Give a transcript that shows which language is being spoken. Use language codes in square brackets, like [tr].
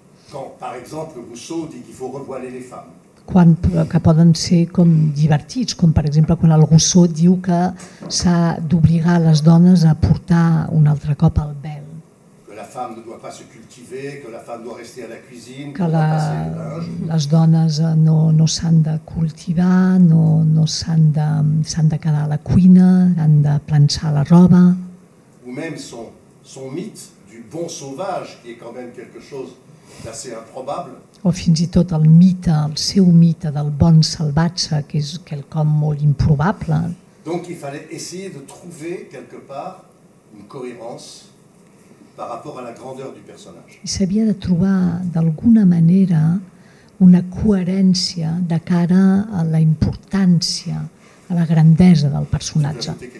[fr] Quand, par exemple, Rousseau dit qu'il faut revoiler les femmes. [ca] Quan, que poden ser com divertits, com per exemple quan el Rousseau diu que s'ha d'obligar les dones a portar un altre cop el vel. [fr] Que la femme ne doit pas se cultiver, que la femme doit rester à la cuisine, [ca] que la, les dones no s'han de cultivar, no s'han de quedar a la cuina, han de planxar la roba. [fr] Ou même son mythe du bon sauvage, qui est quand même quelque chose d'assez improbable. [ca] O fins i tot el mite, el seu mite del bon salvatge, que és quelcom molt improbable. [fr] Donc il fallait essayer de trouver quelque part une cohérence par rapport à la grandeur du personnage. [ca] I s'havia de trobar d'alguna manera una coherència de cara a la importància, a la grandesa del personatge.